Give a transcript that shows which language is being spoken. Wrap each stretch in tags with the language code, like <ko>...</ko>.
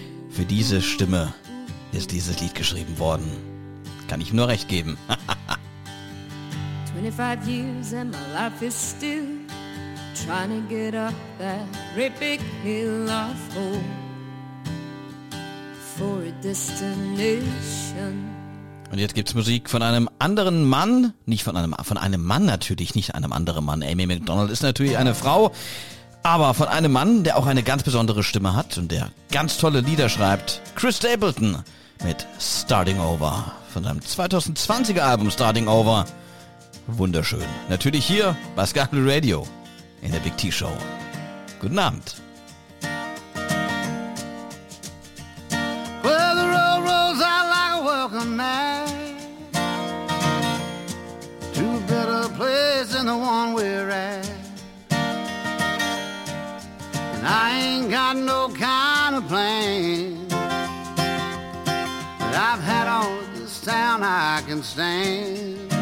<de>Für diese Stimme ist dieses Lied geschrieben worden. Kann ich nur recht geben.</de> <en>25 years and my life is still trying to get up that great big hill of hope for a destination.</en> <de>Und jetzt gibt's Musik von einem anderen Mann, nicht von einem Mann natürlich, nicht einem anderen Mann. Amy McDonald ist natürlich eine Frau, aber von einem Mann, der auch eine ganz besondere Stimme hat und der ganz tolle Lieder schreibt, Chris Stapleton mit Starting Over von seinem 2020er Album Starting Over. Wunderschön. Natürlich hier bei SkyBlueRadio in der Big T Show. Guten Abend.</de> <en>Well, the road rolls out like a welcome mat to a better place than the one we're at. And I ain't got no kind of plan that I've had all this town I can stand.</en>